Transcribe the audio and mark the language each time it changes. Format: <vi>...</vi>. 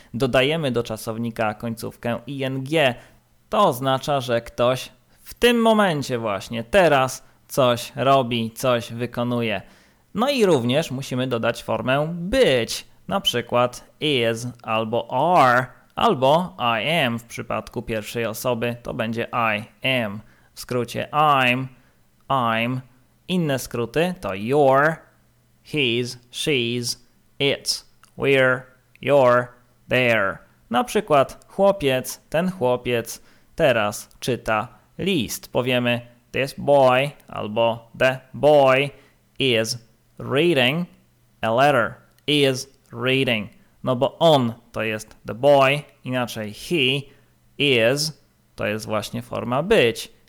<pl>Dodajemy do czasownika końcówkę ing. To oznacza, że ktoś w tym momencie właśnie teraz coś robi, coś wykonuje. No i również musimy dodać formę być, na przykład is albo are, albo I am. W przypadku pierwszej osoby to będzie I am. W skrócie I'm. Inne skróty to your, his, she's, it's, we're, you're, they're. Na przykład chłopiec, ten chłopiec teraz czyta list. Powiemy</pl> <en>this boy albo the boy is reading a letter. Is reading.</en> <pl>No bo on to jest</pl> <en>the boy,</en> <pl>inaczej</pl> <en>he is,</en> <pl>to jest właśnie forma być.</pl>